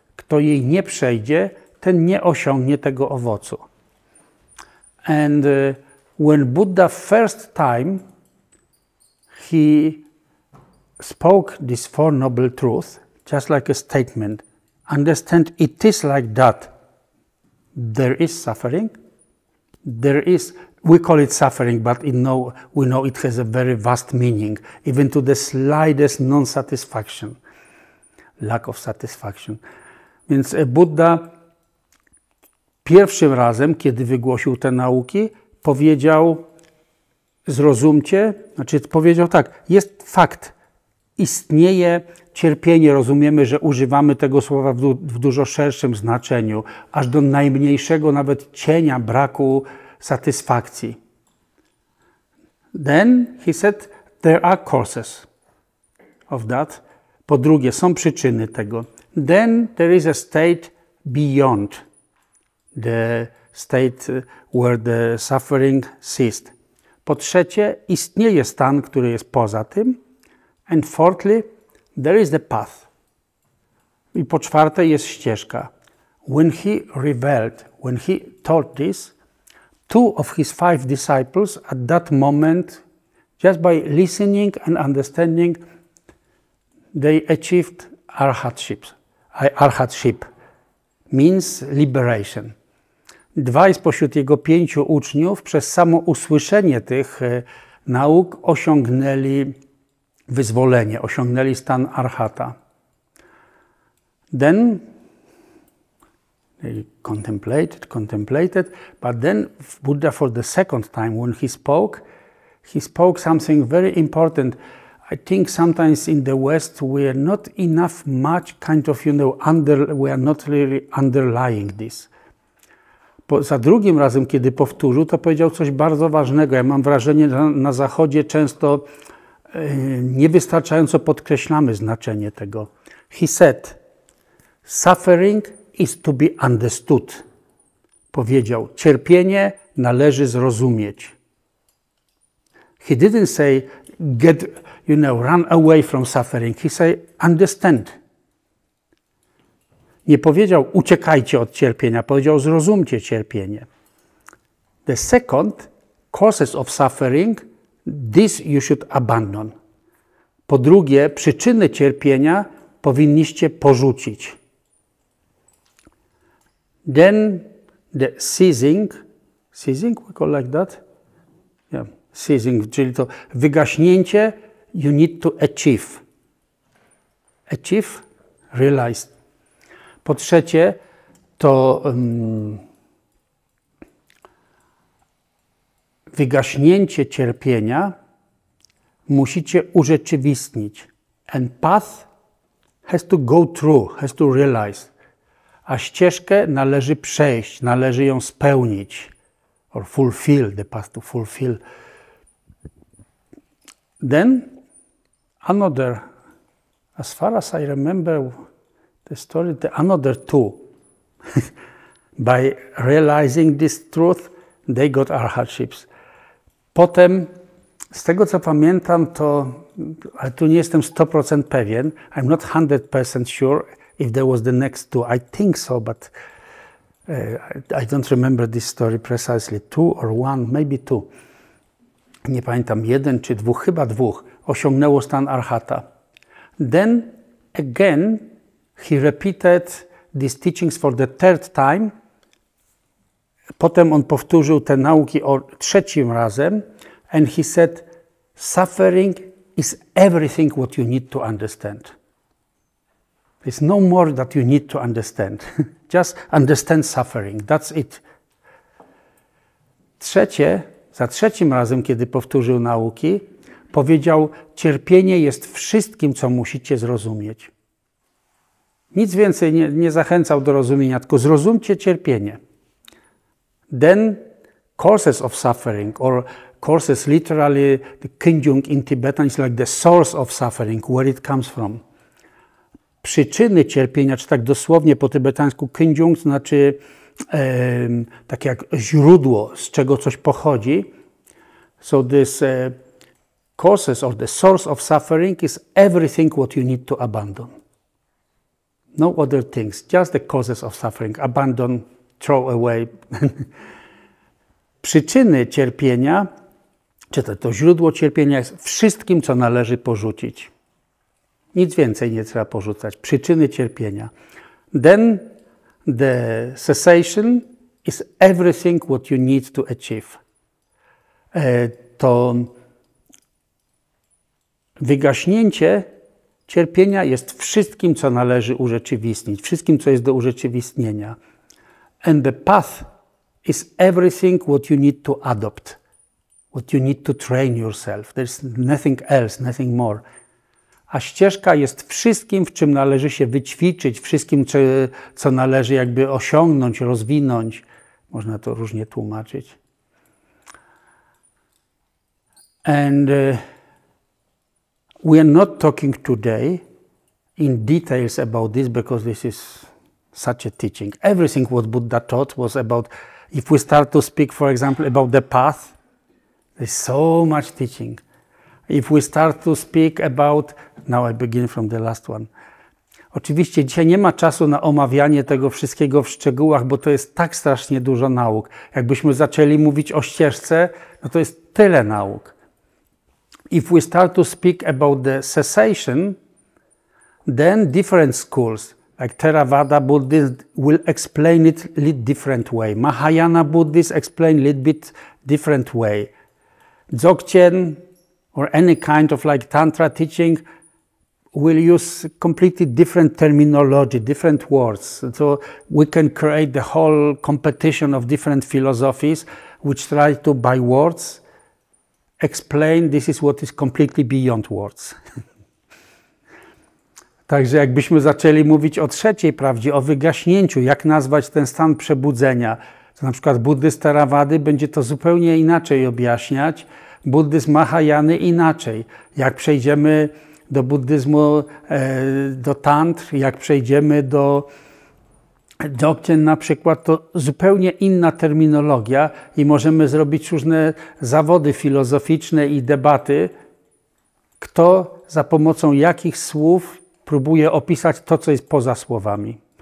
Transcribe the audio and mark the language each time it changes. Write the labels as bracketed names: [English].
[Polish] kto jej nie przejdzie, ten nie osiągnie tego owocu. [English] And when Buddha first time, he spoke this four noble truth, just like a statement. Understand, it is like that. There is suffering. There is, we call it suffering, but we know it has a very vast meaning, even to the slightest non-satisfaction, lack of satisfaction. [Polish] Więc Buddha pierwszym razem, kiedy wygłosił te nauki, powiedział, zrozumcie, znaczy powiedział tak, jest fakt, istnieje cierpienie, rozumiemy, że używamy tego słowa w dużo szerszym znaczeniu, aż do najmniejszego nawet cienia braku satysfakcji. [English] Then he said, there are causes of that. [Polish] Po drugie, są przyczyny tego. [English] Then there is a state beyond the state where the suffering ceases. [Polish] Po trzecie, istnieje stan, który jest poza tym. [English] And fourthly, there is the path. [Polish] I po czwarte jest ścieżka. [English] When he revealed, when he taught this, two of his five disciples at that moment, just by listening and understanding, they achieved arhatship. Arhatship means liberation. [Polish] Dwaj spośród jego pięciu uczniów przez samo usłyszenie tych nauk osiągnęli wyzwolenie, osiągnęli stan arhata. [English] Then they contemplated, but then Buddha for the second time when he spoke something very important. I think sometimes in the West we are not enough much kind of, you know, we are not really underlying this. [Polish] Bo za drugim razem, kiedy powtórzył, to powiedział coś bardzo ważnego. Ja mam wrażenie, że na Zachodzie często niewystarczająco podkreślamy znaczenie tego. [English] He said, suffering is to be understood. [Polish] Powiedział, cierpienie należy zrozumieć. [English] He didn't say, get, you know, run away from suffering. He said, understand. [Polish] Nie powiedział, uciekajcie od cierpienia. Powiedział, zrozumcie cierpienie. [English] The second, causes of suffering, this you should abandon. [Polish] Po drugie, przyczyny cierpienia powinniście porzucić. [English] Then the seizing, we call like that? Yeah, seizing, [Polish] czyli to wygaśnięcie, [English] you need to achieve. Achieve, realize. [Polish] Po trzecie, to wygaśnięcie cierpienia musicie urzeczywistnić. [English] And path has to go through, has to realize. [Polish] A ścieżkę należy przejść, należy ją spełnić. [English] Or fulfill, the path to fulfill. Then, another, as far as I remember the story, the another two. By realizing this truth, they got arhatships. [Polish] Potem, z tego co pamiętam, to, ale tu nie jestem 100% pewien, [English] I'm not 100% sure if there was the next two. I think so, but I don't remember this story precisely. Two or one, maybe two. [Polish] Nie pamiętam, jeden czy dwóch, chyba dwóch, osiągnęło stan arhata. [English] Then again, he repeated these teachings for the third time. [Polish] Potem on powtórzył te nauki o trzecim razem [English] and he said, suffering is everything what you need to understand. There's no more that you need to understand. Just understand suffering. That's it. [Polish] Trzecie, za trzecim razem, kiedy powtórzył nauki, powiedział, cierpienie jest wszystkim, co musicie zrozumieć. Nic więcej nie zachęcał do rozumienia, tylko zrozumcie cierpienie. [English] Then, causes of suffering, or causes literally, the Kinjung in Tibetan is like the source of suffering, where it comes from. [Polish] Przyczyny cierpienia, czy tak dosłownie po tybetańsku Kinjung, znaczy tak jak źródło, z czego coś pochodzi. [English] So this causes or the source of suffering is everything what you need to abandon. No other things, just the causes of suffering, abandon, throw away. [Polish] Przyczyny cierpienia, czy to źródło cierpienia jest wszystkim, co należy porzucić. Nic więcej nie trzeba porzucać. Przyczyny cierpienia. [English] Then the cessation is everything what you need to achieve. [Polish] To wygaśnięcie cierpienia jest wszystkim, co należy urzeczywistnić, wszystkim, co jest do urzeczywistnienia. [English] And the path is everything what you need to adopt, what you need to train yourself. There's nothing else, nothing more. [Polish] A ścieżka jest wszystkim, w czym należy się wyćwiczyć, wszystkim, co należy jakby osiągnąć, rozwinąć. Można to różnie tłumaczyć. [English] And we are not talking today in details about this, because this is such a teaching. Everything what Buddha taught was about, if we start to speak, for example, about the path, there's so much teaching. If we start to speak about, now I begin from the last one. [Polish] Oczywiście dzisiaj nie ma czasu na omawianie tego wszystkiego w szczegółach, bo to jest tak strasznie dużo nauk. Jakbyśmy zaczęli mówić o ścieżce, no to jest tyle nauk. [English] If we start to speak about the cessation, then different schools, like Theravada Buddhists, will explain it a little different way. Mahayana Buddhists explain a little bit different way. Dzogchen, or any kind of like Tantra teaching, will use completely different terminology, different words. So we can create the whole competition of different philosophies, which try to, by words, explain this is what is completely beyond words. [Polish] Także jakbyśmy zaczęli mówić o trzeciej prawdzie, o wygaśnięciu, jak nazwać ten stan przebudzenia, to na przykład buddhist Theravady będzie to zupełnie inaczej objaśniać, buddhist Mahayany inaczej. Jak przejdziemy do buddyzmu, do tantr, jak przejdziemy do Dzogchen na przykład, to zupełnie inna terminologia i możemy zrobić różne zawody filozoficzne i debaty, kto za pomocą jakich słów próbuje opisać to, co jest poza słowami.